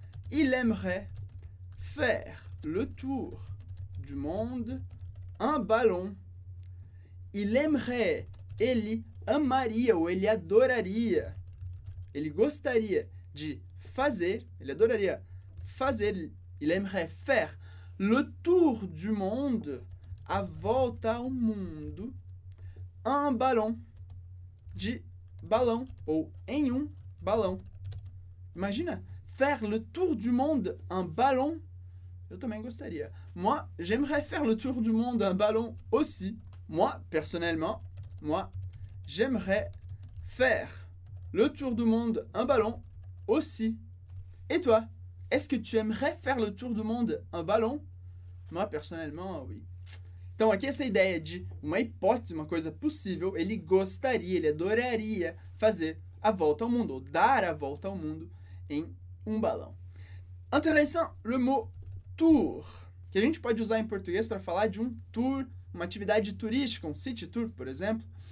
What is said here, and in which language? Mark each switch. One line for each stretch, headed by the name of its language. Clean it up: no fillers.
French: Il aimerait faire le tour du monde en ballon. Il aimerait,
Portuguese: ele amaria ou ele adoraria. Ele gostaria de fazer, ele adoraria fazer,
French: il aimerait faire le tour du monde,
Portuguese: a volta ao mundo,
French: en ballon,
Portuguese: de balão ou em um balão.
French: Imagina, faire le tour du monde en ballon.
Portuguese: Eu também gostaria.
French: Moi, j'aimerais faire le tour du monde en ballon aussi. Moi, personnellement, moi, j'aimerais faire le tour du monde en ballon aussi. Et toi, est-ce que tu aimerais faire le tour du monde en ballon? Moi, personnellement, oui.
Portuguese: Então, aqui essa ideia de uma hipótese, uma coisa possível, ele gostaria, ele adoraria fazer a volta ao mundo, ou dar a volta ao mundo em um balão.
French: Intéressant, le mot tour,
Portuguese: que a gente pode usar em português para falar de um tour, uma atividade turística, um city tour, por exemplo.